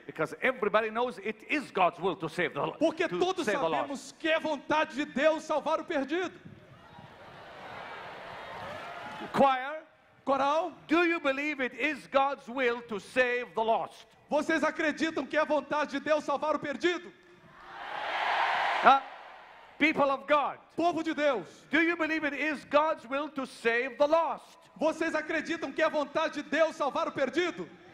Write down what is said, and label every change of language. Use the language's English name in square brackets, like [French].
[English] Because everybody knows it is God's will to save the lost. [Portuguese] Porque todos sabemos que é vontade de Deus salvar o perdido. [English] Choir, [Portuguese] coral, [English] do you believe it is God's will to save the lost? [Portuguese] Vocês acreditam que é vontade de Deus salvar o perdido? [English] People of God. [Portuguese] Povo de Deus. [English] Do you believe it is God's will to save the lost? [Portuguese] Vocês acreditam que é vontade de Deus salvar o perdido?